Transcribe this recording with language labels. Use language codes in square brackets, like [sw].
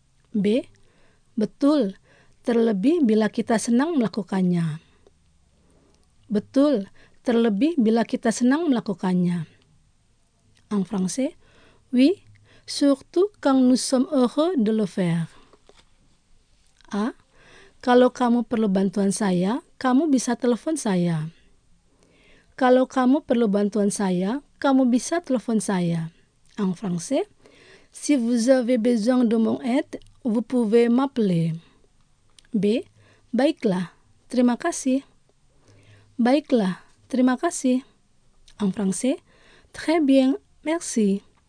[id] B. Betul, terlebih bila kita senang melakukannya. Betul, terlebih bila kita senang melakukannya. [fr] En français, oui. Surtout quand nous sommes heureux de le faire. A. [id] Kalau kamu perlu bantuan saya, kamu bisa telepon saya. Kalau kamu perlu bantuan saya, kamu bisa telepon saya. [fr] En français. Si vous avez besoin de mon aide, vous pouvez m'appeler. [id] B. Baiklah, terima kasih. Baiklah, terima kasih. [fr] En français. Très bien, merci.